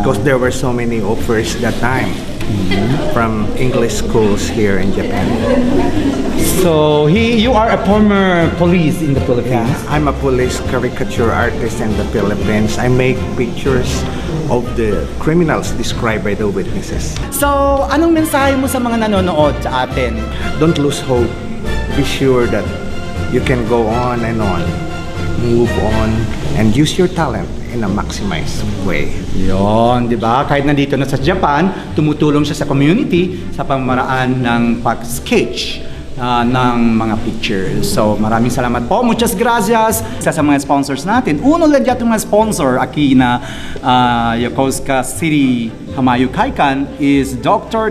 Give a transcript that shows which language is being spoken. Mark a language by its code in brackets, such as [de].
[en] Because there were so many offers that time. Mm-hmm. From English schools here in Japan. So you are a former police in the Philippines? Yeah, I'm a police caricature artist in the Philippines. I make pictures of the criminals described by the witnesses. [tl] So anong mensahe mo sa mga nanonood sa atin? [en] Don't lose hope. Be sure that you can go on and on. Move on and use your talent in a maximized way. [tl] Yon, di ba? Kahit nandito na sa Japan, tumutulong siya sa community sa pamamaraan ng pag-sketch ng mga pictures. So, maraming salamat po. [es] Muchas gracias. [tl] Isa sa mga sponsors natin. Uno lang dyan yung mga sponsor aki na Yokosuka City Hamayu Kaikan is Dr.